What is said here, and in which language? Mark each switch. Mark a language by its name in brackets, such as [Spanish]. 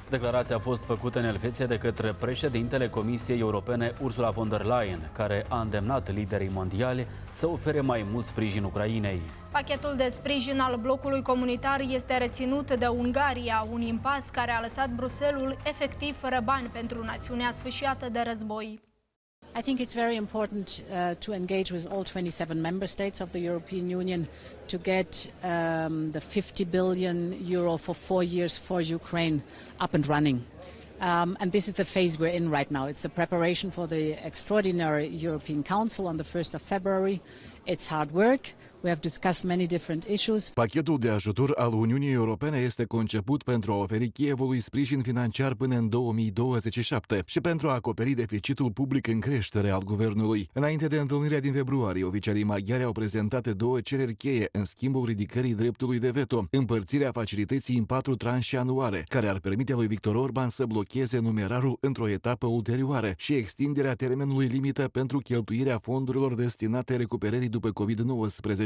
[Romanian] Declarația a fost făcută în Elveția de către președintele Comisiei Europene Ursula von der Leyen, care a îndemnat liderii mondiali să ofere mai mult sprijin Ucrainei. Pachetul de sprijin al blocului comunitar este reținut de Ungaria, un impas care a lăsat Bruselul efectiv fără bani pentru națiunea sfâșiată de război. [English] I think it's very important to engage with all 27 member states of the European Union to get the 50 billion euro for 4 years for Ukraine up and running. And this is the phase we're in right now. It's the preparation for the extraordinary European Council on the 1st of February. It's hard work. We have discussed many different issues. [Romanian] Pachetul de ajutor al Uniunii Europene este conceput pentru a oferi Kievului sprijin financiar până în 2027 și pentru a acoperi deficitul public în creștere al guvernului. Înainte de întâlnirea din februarie, oficialii maghiari au prezentat două cereri cheie în schimbul ridicării dreptului de veto, împărțirea facilității în 4 tranșe anuale, care ar permite lui Viktor Orban să blocheze numerarul într-o etapă ulterioară și extinderea termenului limită pentru cheltuirea fondurilor destinate recuperării după COVID-19.